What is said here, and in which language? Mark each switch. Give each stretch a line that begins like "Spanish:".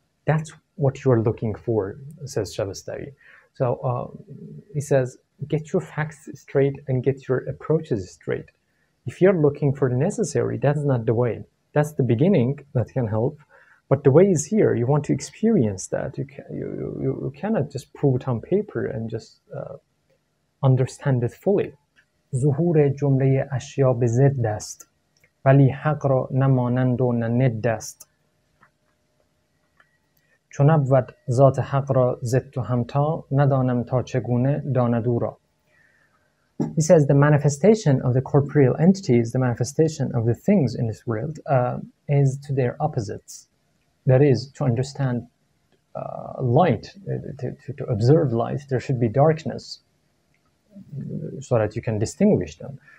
English: That's what you're looking for, says Shabestari. So he says, get your facts straight and get your approaches straight. If you're looking for the necessary, that's not the way. That's the beginning that can help, but the way is here. You want to experience that. You cannot just prove it on paper and just understand it fully.
Persian: ظهور جمله اشیا به ضد است ولی حق را نه مانند و نه ند است چون نبود ذات حق را ضد و همتا ندانم تا چگونه داند او را.
English: He says the manifestation of the corporeal entities, the manifestation of the things in this world, is to their opposites. That is, to understand light, to observe light, there should be darkness so that you can distinguish them.